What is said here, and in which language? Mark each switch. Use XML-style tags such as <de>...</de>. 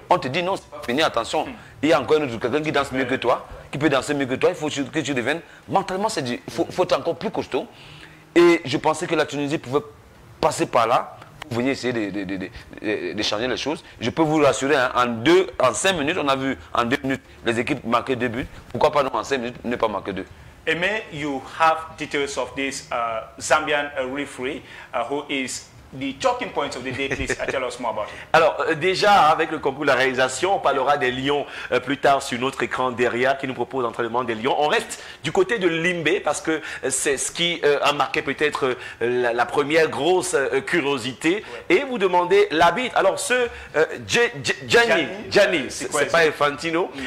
<fr>on te dit non, c'est pas fini, attention. Il y a encore quelqu'un qui danse mieux que toi, qui peut danser mieux que toi. Il faut que tu deviennes. Mentalement, c'est dit. Il faut être encore plus costaud. Et je pensais que la Tunisie pouvait passer par là pour venir essayer de changer les choses. Je peux vous rassurer, hein, en 5 minutes, on a vu en 2 minutes les équipes marquer 2 buts. Pourquoi pas nous, en 5 minutes, ne pas marquer 2?</fr> <en>Emir, you have details of this Zambian referee who is the talking point of the day. Please tell us more about it.</en> <fr>Alors, déjà, avec le concours de la réalisation, on parlera des Lions plus tard sur notre écran derrière qui nous propose l'entraînement des Lions. On reste du côté de Limbé parce que c'est ce qui a marqué peut-être la première grosse curiosité. Ouais. Et vous demandez l'arbitre. Alors, ce Gianni, c'est pas Infantino.</fr>